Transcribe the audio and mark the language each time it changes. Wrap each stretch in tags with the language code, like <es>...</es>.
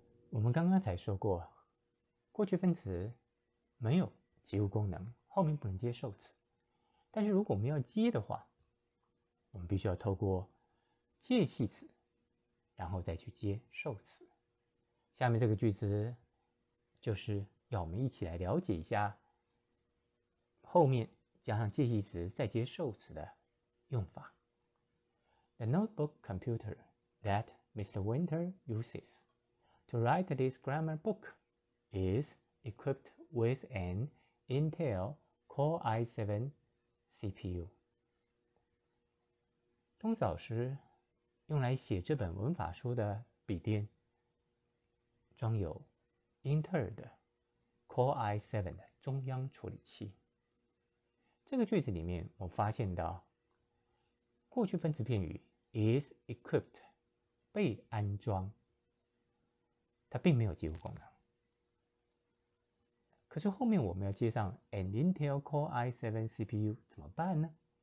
<zh>我们刚刚才说过，过去分词没有及物功能，后面不能接受词，但是如果我们要接的话，我们必须要透过介系词然后再去接受词。下面这个句子就是要我们一起来了解一下后面加上介系词再接受词的用法。</zh> <en>The notebook computer that Mr. Winter uses to write this grammar book is equipped with an Intel Core i7 CPU。</en> <zh>东子老师用来写这本文法书的笔电装有英特尔的 Core i7 的中央处理器。这个句子里面我发现到过去分词片语</zh> <en>is equipped</en> <zh>被安装，它并没有及物功能，可是后面我们要接上</zh> <en>an Intel Core i7 CPU</en> <zh>怎么办呢？</zh>